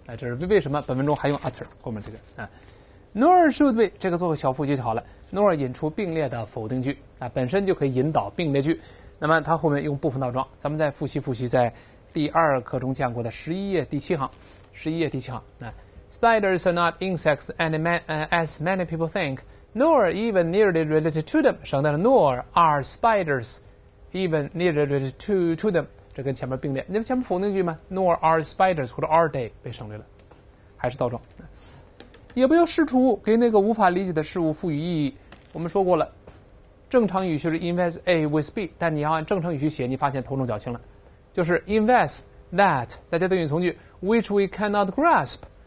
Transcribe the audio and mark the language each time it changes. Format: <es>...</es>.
<zh>这是为什么本文中还用 utter 后面这个啊。</zh> <en>nor should we</en> <zh>这个做个小复句就好了。 nor 引出并列的否定句啊，本身就可以引导并列句，那么它后面用部分倒装。咱们再复习复习在第二课中讲过的11页第7行啊。</zh> <en>Spiders are not insects as many people think, nor even nearly related to them.</en> <zh>省掉了</zh> <en>nor are spiders even nearly related to them.</en> <zh>这跟前面并列，你们前面否定句吗？</zh> <en>nor are spiders</en> <zh>或者</zh> <en>are they</en> <zh>被省略了，还是倒装。也不要试图给那个无法理解的事物赋予意义。我们说过了，正常语序是</zh> <en>invest A with B，</en> <zh>但你要按正常语序写，你发现头重脚轻了，就是</zh> <en>invest that</en> <zh>再加定语从句</zh> <en>which we cannot grasp。</en>